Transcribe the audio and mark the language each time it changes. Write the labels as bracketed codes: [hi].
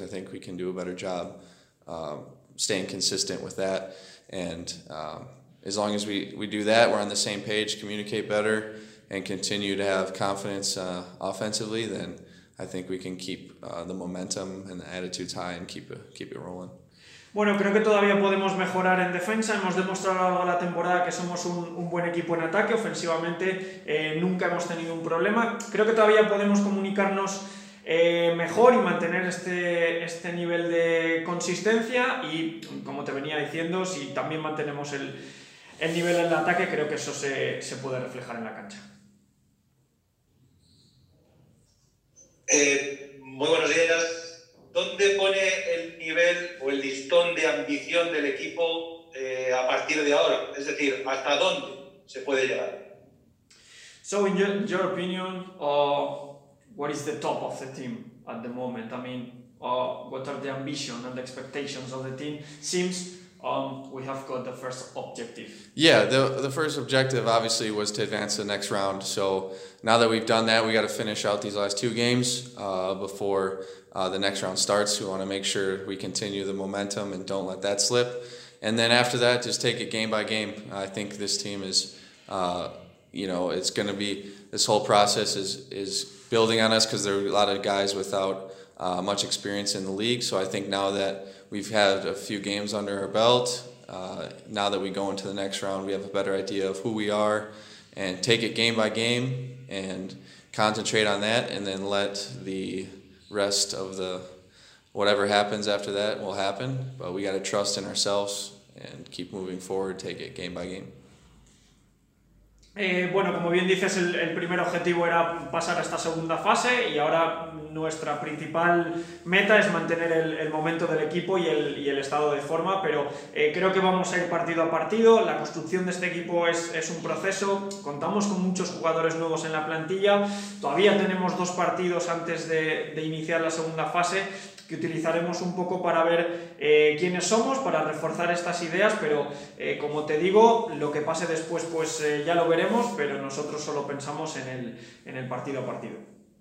[en] I think we can do a better job staying consistent with that. And as long as we do that, we're on the same page, communicate better, and continue to have confidence offensively, then I think we can keep the momentum and the attitudes high and keep it rolling. [es] Bueno, creo que todavía podemos mejorar en defensa. Hemos demostrado a lo largo de la temporada que somos un buen equipo en ataque. Ofensivamente, nunca hemos tenido un problema. Creo que todavía podemos comunicarnos mejor y mantener este nivel de consistencia. Y, como te venía diciendo, si también mantenemos el nivel en el ataque, creo que eso se puede reflejar en la cancha. Muy buenos días. ¿Dónde pone el nivel o el listón de ambición del equipo a partir de ahora? Es decir, ¿hasta dónde se puede llegar? [en] So, in your opinion, what is the top of the team at the moment? I mean, what are the ambition and expectations of the team? Seems we have got the first objective. Yeah, the first objective obviously was to advance to the next round. So now that we've done that, we got to finish out these last two games before the next round starts. We want to make sure we continue the momentum and don't let that slip. And then after that, just take it game by game. I think this team is, it's going to be, this whole process is building on us because there are a lot of guys without much experience in the league. So I think now that we've had a few games under our belt, now that we go into the next round, we have a better idea of who we are, and take it game by game and concentrate on that, and then let the rest of the whatever happens after that will happen. But we got to trust in ourselves and keep moving forward, take it game by game. [es] Bueno, como bien dices, el primer objetivo era pasar a esta segunda fase y ahora nuestra principal meta es mantener el momento del equipo y el estado de forma, pero creo que vamos a ir partido a partido. La construcción de este equipo es un proceso, contamos con muchos jugadores nuevos en la plantilla, todavía tenemos dos partidos antes de iniciar la segunda fase que utilizaremos un poco para ver quiénes somos, para reforzar estas ideas, pero como te digo, lo que pase después pues ya lo veremos, pero nosotros solo pensamos en el partido a partido.